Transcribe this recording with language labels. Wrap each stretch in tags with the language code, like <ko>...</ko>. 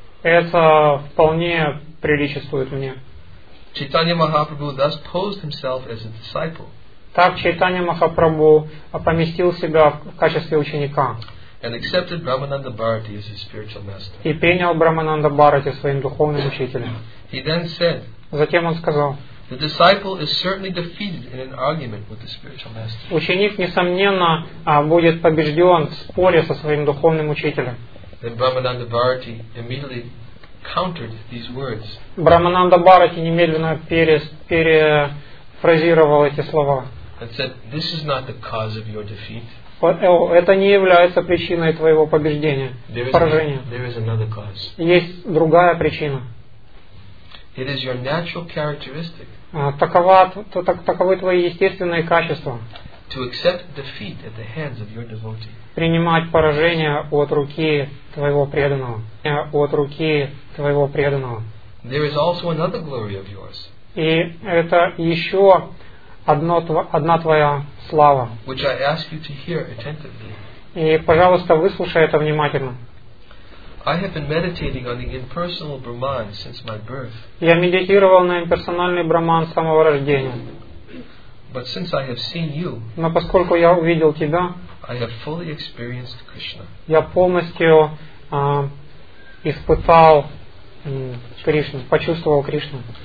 <ru>Это вполне приличествует мне.</ru> <en>Чайтанья Махапрабху thus posed himself as a disciple.</en> <ru>Так Чайтанья Махапрабху поместил себя в качестве ученика.</ru> <en>And accepted Брахмананда Бхарати as his spiritual master.</en> <ru>И принял Брахмананда Бхарати своим духовным учителем.</ru> <en>He then said,</en> <ru>затем он сказал,</ru> <en>the disciple is certainly defeated in an argument with the spiritual master.</en> <ru>Ученик несомненно будет побежден в споре со своим духовным учителем.</ru> <en>Then Brahmananda Bharati immediately countered these words.</en> <ru>Брахмананда Бхарати немедленно перефразировал эти слова.</ru> <en>And said, this is not the cause of your defeat.</en> <ru>Это не является причиной твоего побеждения, поражения.</ru> <en>There is another cause.</en> <ru>Есть другая причина.</ru> <en>It is your natural characteristic.</en> <ru>Таковы твои естественные качества.</ru> <en>To accept defeat at the hands of your devotee.</en> <ru>Принимать поражение от руки твоего преданного.</ru> <en>There is also another glory of yours.</en> <ru>И это еще одна твоя слава.</ru> <en>Which I ask you to hear attentively.</en> <ru>И, пожалуйста, выслушай это внимательно.</ru> <en>I have been meditating on the impersonal Brahman since my birth.</en> <ru>Я медитировал на имперсональный Брахман с самого рождения.</ru> <en>But since I have seen you,</en> <ru>но поскольку я увидел тебя,</ru> <en>I have fully experienced Krishna.</en> <ru>Я полностью испытал Кришну, почувствовал Кришну.</ru>